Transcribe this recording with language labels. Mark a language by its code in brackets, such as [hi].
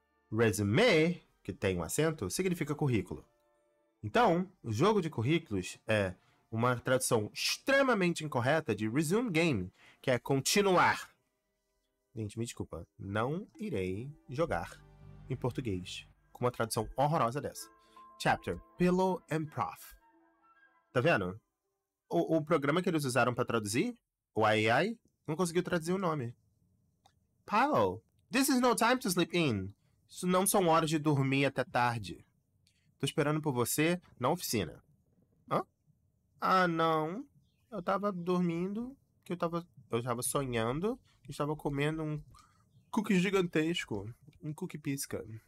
[pt] Resume, que tem um acento, significa currículo. Então, o jogo de currículos é uma tradução extremamente incorreta de resume game, que é continuar. Gente, me desculpa. Não irei jogar em português com uma tradução horrorosa dessa. [en] Chapter: Pillow and Prof. [pt] Tá vendo? O programa que eles usaram para traduzir, o AI, não conseguiu traduzir o nome. [en] Paulo, this is no time to sleep in. [pt] Isso não são horas de dormir até tarde. Tô esperando por você na oficina. Hã? Ah, não. Eu tava dormindo, que eu tava sonhando, que estava comendo um cookie gigantesco. Um cookie pisca.